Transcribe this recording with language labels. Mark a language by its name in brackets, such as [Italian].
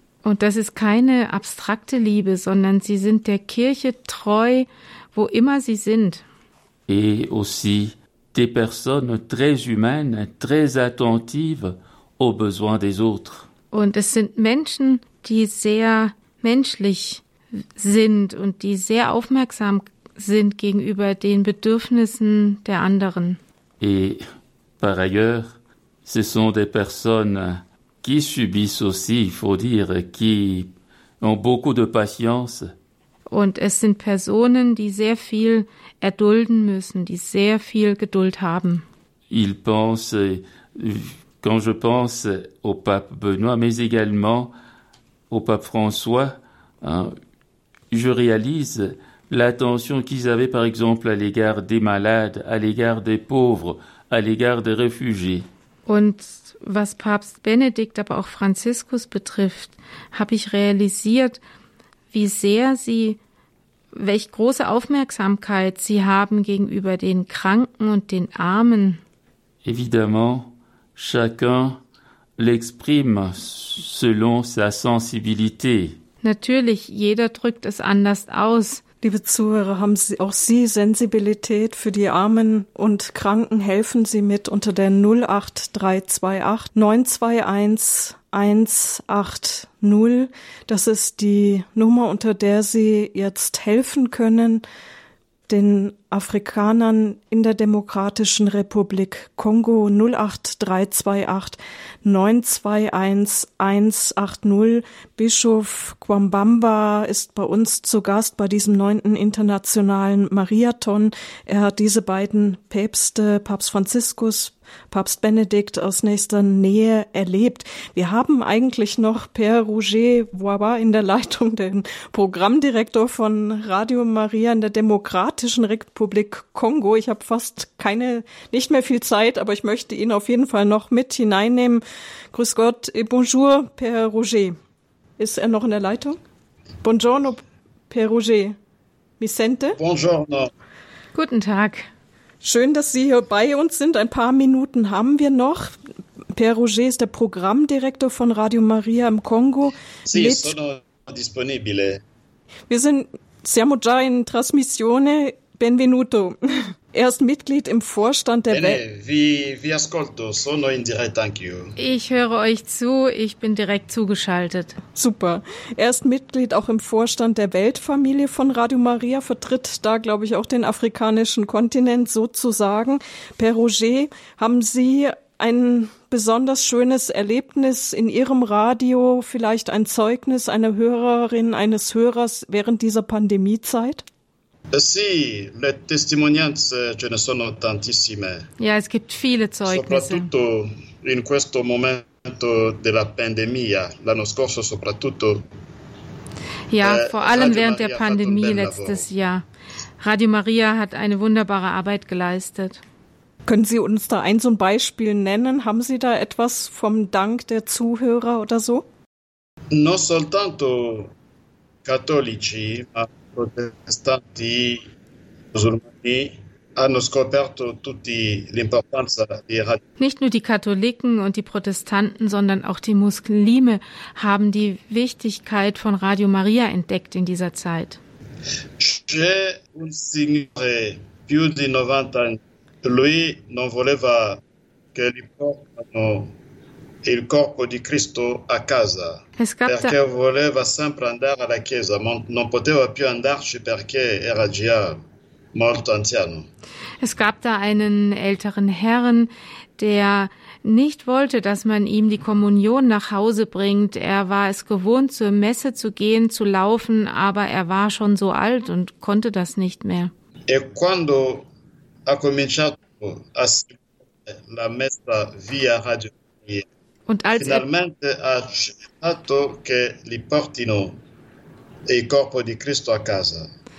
[German] Und das ist keine abstrakte Liebe, sondern sie sind der Kirche treu, wo immer sie sind. [French] Et aussi des personnes très humaines, très attentives aux besoins des autres. [German] Und es sind Menschen, die sehr menschlich sind und die sehr aufmerksam sind gegenüber den Bedürfnissen der anderen. [French] Et par ailleurs, ce sont des personnes qui subissent aussi, il faut dire, qui ont beaucoup de patience. [German] Und es sind Personen, die sehr viel erdulden müssen, die sehr viel Geduld haben. [French] Ils pensent, quand je pense au pape Benoît, mais également au pape François, je réalise l'attention qu'ils avaient, par exemple, à l'égard des malades, à l'égard des pauvres, à l'égard des réfugiés. [German] Und was Papst Benedikt, aber auch Franziskus betrifft, habe ich realisiert, wie sehr sie, welch große Aufmerksamkeit sie haben gegenüber den Kranken und den Armen. [French] Évidemment, chacun l'exprime selon sa sensibilité. [German] Natürlich, jeder drückt es anders aus. Liebe Zuhörer, haben Sie auch Sie Sensibilität für die Armen und Kranken? Helfen Sie mit unter der 08328921180. Das ist die Nummer, unter der Sie jetzt helfen können, den Afrikanern in der Demokratischen Republik Kongo 08328921180. Bischof Kwambamba ist bei uns zu Gast bei diesem 9. internationalen Mariathon. Er hat diese beiden Päpste, Papst Franziskus, Papst Benedikt, aus nächster Nähe erlebt. Wir haben eigentlich noch Père Roger Wawa in der Leitung, den Programmdirektor von Radio Maria in der Demokratischen Republik Kongo. Ich habe fast nicht mehr viel Zeit, aber ich möchte ihn auf jeden Fall noch mit hineinnehmen. Grüß Gott [French] et bonjour, [German] Père Roger. Ist er noch in der Leitung? [Italian] Buongiorno, Père Roger. Vicente? Buongiorno. [German] Guten Tag. Schön, dass Sie hier bei uns sind. Ein paar Minuten haben wir noch. Père Roger ist der Programmdirektor von Radio Maria im Kongo. [Italian] Sì, sono disponibile. Siamo già in trasmissione. Benvenuto. [German] Er ist Mitglied im Vorstand der [Italian] Bene, vi ascolto, sono in diretta anch'io. [German] Ich höre euch zu, ich bin direkt zugeschaltet. Super. Er ist Mitglied auch im Vorstand der Weltfamilie von Radio Maria, vertritt da, glaube ich, auch den afrikanischen Kontinent sozusagen. Père Roger, haben Sie ein besonders schönes Erlebnis in Ihrem Radio, vielleicht ein Zeugnis einer Hörerin, eines Hörers während dieser Pandemiezeit? [Italian] Sì, le testimonianze ce ne sono tantissime. [German] Ja, es gibt viele Zeugnisse. [Italian] Soprattutto in questo momento della pandemia, l'anno scorso soprattutto. [German] Ja, vor allem während der Pandemie letztes Jahr. Radio Maria hat eine wunderbare Arbeit geleistet. Können Sie uns da ein so ein Beispiel nennen? Haben Sie da etwas vom Dank der Zuhörer oder so? [Italian] Non soltanto cattolici, ma protestanti musulmani hanno scoperto tutti l'importanza di Radio. [German] Nicht nur die Katholiken und die Protestanten, sondern auch die Muslime haben die Wichtigkeit von Radio Maria entdeckt in dieser Zeit. [Italian] C'è un signore più di 90 anni, lui non voleva che gli portano il corpo di Cristo a casa. Perché voleva sempre andare alla chiesa, ma non poteva più andarci perché era già molto anziano. [German] Es gab da einen älteren Herrn, der nicht wollte, dass man ihm die Kommunion nach Hause bringt. Er war es gewohnt, zur Messe zu gehen, zu laufen, aber er war schon so alt und konnte das nicht mehr. [Italian] E quando ha cominciato a seguire la messa via radio, [German] und als [Italian] finalmente ha accettato che li portino il corpo di Cristo a casa.